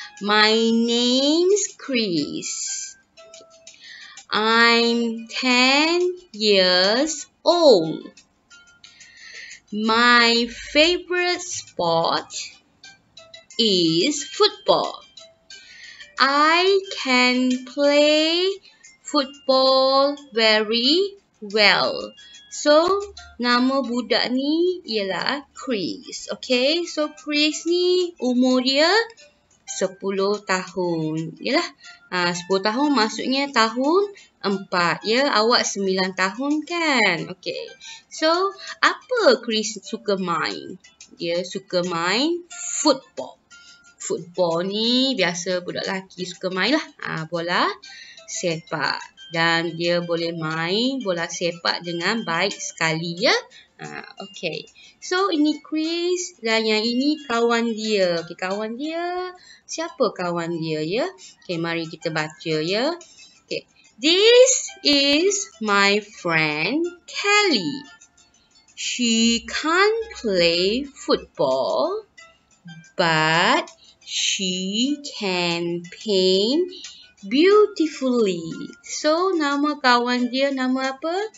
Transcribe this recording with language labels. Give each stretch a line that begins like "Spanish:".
English: My name's Chris. I'm 10 years old. My favorite sport is football. I can play football very well.
Malay: So, nama budak ni ialah Chris. Okay, so Chris ni umur dia 10 tahun. Yalah, 10 tahun maksudnya tahun 4. Ya, awak 9 tahun kan? Okay, so apa Chris suka main? Dia suka main football. Football ni biasa budak lelaki suka main lah. Bola sepak. Dan dia boleh main bola sepak dengan baik sekali ya. Okay. So, ini Chris dan yang ini kawan dia. Okay, kawan dia. Siapa kawan dia ya? Okay, mari kita baca ya. Okay.
English: This is my friend Kelly. She can't play football. But she can paint beautifully.
Malay: So, nama kawan dia nama apa?